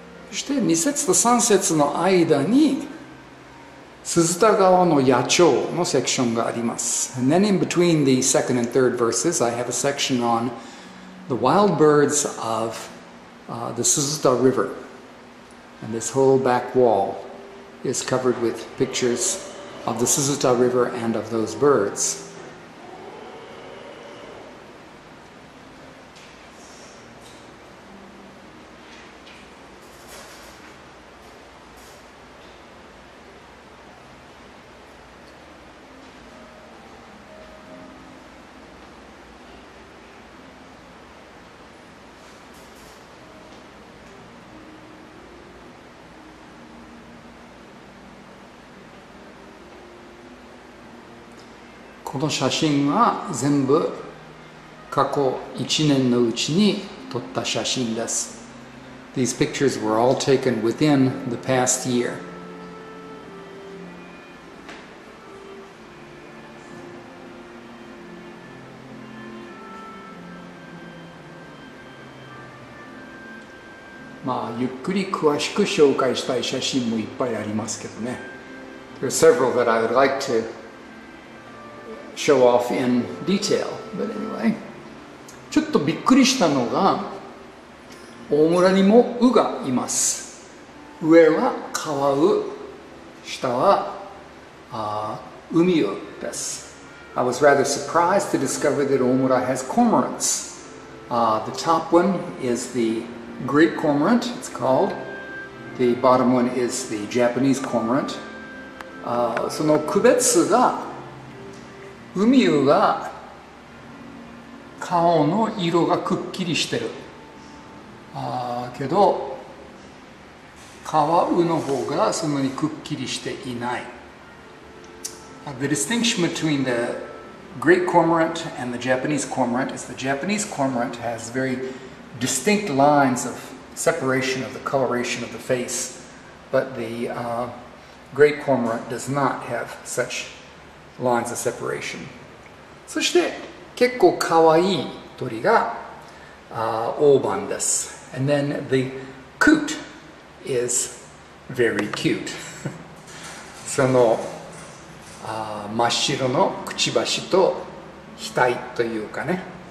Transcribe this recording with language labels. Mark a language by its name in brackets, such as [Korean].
[Japanese] そして2節と3節の間に鈴田川の野鳥のセクションがあります。 [English] And then in between the second and third verses, I have a section on the wild birds of the 鈴田 River. And this whole back wall is covered with pictures of the 鈴田 River and of those birds. [Japanese] この写真は全部過去1年のうちに撮った写真です。 [English] These pictures were all taken within the past year. [Japanese] まあ、ゆっくり詳しく紹介したい写真もいっぱいありますけどね。 [English] There are several that I would like to. Show off in detail, but anyway. [Japanese] ちょっとびっくりしたのが、大村にもウがいます。上はカワウ、下は海ウです。 [English] I was rather surprised to discover that 大村 has cormorants. The top one is the great cormorant, it's called. The bottom one is the Japanese cormorant. [Japanese] その区別が海ウが顔の色がくっきりしてる。けど、川ウの方がそんなにくっきりしていない。 [English] The distinction between the great cormorant and the Japanese cormorant is the Japanese cormorant has very distinct lines of separation of the coloration of the face, but the great cormorant does not have such lines of separation. [Japanese] そして結構かわいい鳥がオーバンです。 [English] And then the coot is very cute. [Japanese] その真っ白のくちばしと額というかね。